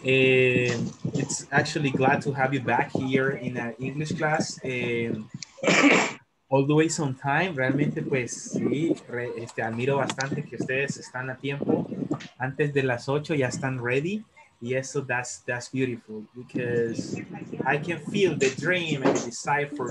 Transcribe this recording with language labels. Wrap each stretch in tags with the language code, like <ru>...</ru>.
<en>It's actually glad to have you back here in our English class. Always on time.</en> <es>Realmente, pues, sí, admiro bastante que ustedes están a tiempo. Antes de las 8 ya están ready. Y eso,</es> <en>that's beautiful. Because I can feel the dream and the desire for</en>